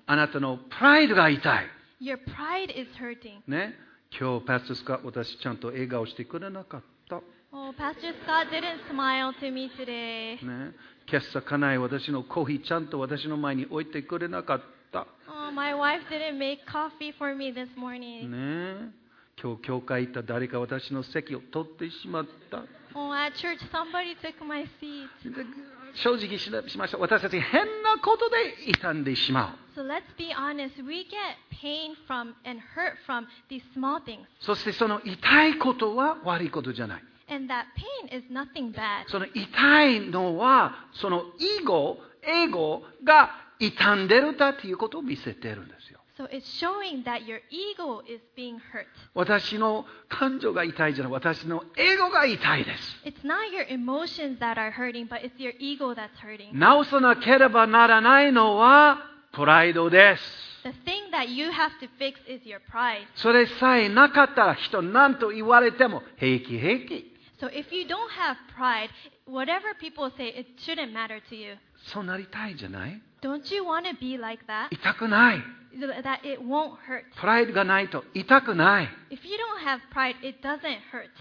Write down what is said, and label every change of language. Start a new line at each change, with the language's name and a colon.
Japanese: あなたのプライドが痛い。
English: Your pride is hurting.
Japanese: ね、今日、パスタスカ、私ちゃんと笑顔してくれなかった。
English: Oh, Pastor Scott didn't smile to me today.
Japanese: ね、今朝家内私のコーヒーちゃんと私の前に置いてくれなかった。
English: Oh, my wife didn't make coffee for me this morning.
Japanese: ね、今日教会行った誰か私の席を取ってしまった。
English: Oh, at church somebody took my seat.
Japanese: 正直しましょう。私たち変なことで痛んでしまう。
English: So let's be honest. We get pain from and hurt from these small things.
Japanese: そしてその痛いことは悪いことじゃない。
English: And that pain is nothing bad.
Japanese: その痛いのはそのイゴ、エゴが痛んでるだということを見せてるんですよ。
English: So it's showing that your ego is being hurt.
Japanese: 私の感情が痛いじゃない、私のエゴが痛いです。
English: It's not your emotions that are hurting, but it's your ego that's hurting.
Japanese: 直さなければならないのはプライドです。
English: The thing that you have to fix is your pride.
Japanese: それさえなかったら人何と言われても平気平気。
English: So if you don't have pride, whatever people say, it shouldn't matter to you.
Japanese: そうなりたいじゃない？
English: Don't you want to be like that?
Japanese: 痛くない。
English: That it won't hurt.
Japanese: プライドがないと痛くない。
English: If you don't have pride, it doesn't hurt.